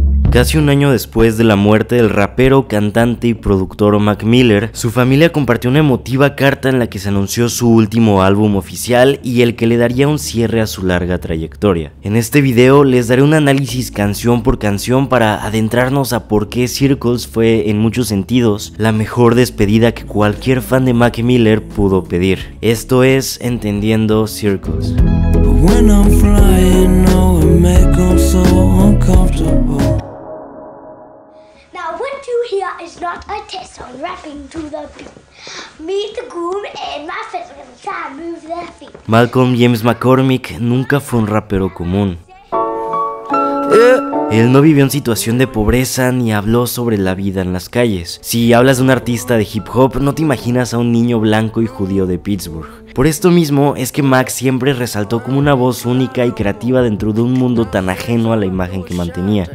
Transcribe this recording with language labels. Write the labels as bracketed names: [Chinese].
[Spanish] Casi un año después de la muerte del rapero, cantante y productor Mac Miller, su familia compartió una emotiva carta en la que se anunció su último álbum oficial y el que le daría un cierre a su larga trayectoria. En este video les daré un análisis canción por canción para adentrarnos a por qué Circles fue, en muchos sentidos, la mejor despedida que cualquier fan de Mac Miller pudo pedir. Esto es Entendiendo Circles. [English] When I'm flying, no, it makes me so uncomfortable. Now, what you hear is not a test on rapping to the beat. Meet the groom and my friends are gonna try and move their feet. [Spanish] Malcolm James McCormick nunca fue un rapero común. Él no vivió en situación de pobreza ni habló sobre la vida en las calles. Si hablas de un artista de hip hop, no te imaginas a un niño blanco y judío de Pittsburgh. Por esto mismo es que Mac siempre resaltó como una voz única y creativa dentro de un mundo tan ajeno a la imagen que mantenía.